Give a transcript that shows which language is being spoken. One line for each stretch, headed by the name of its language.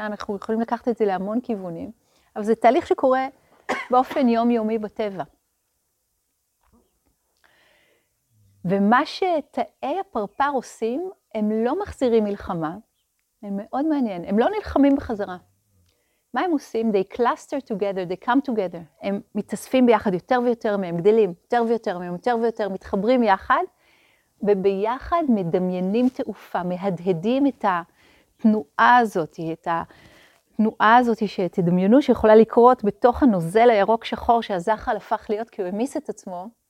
Hebrew: אנחנו יכולים לקחת את זה להמון כיוונים. אבל זה תהליך שקורה באופן יומיומי בטבע. ומה שתאי הפרפר עושים, הם לא מחזירים מלחמה, הם מאוד מעניין, הם לא נלחמים בחזרה. מה הם עושים?
English: They cluster together, they come together.
Hebrew: הם מתאספים ביחד יותר ויותר מהם, גדלים יותר ויותר מהם, יותר ויותר, מתחברים יחד, וביחד מדמיינים תעופה, מהדהדים את התנועה הזאת, את התנועה הזאת שתדמיינו שיכולה לקרות בתוך הנוזל הירוק שחור שהזחל הפך להיות כי הוא המיס את עצמו.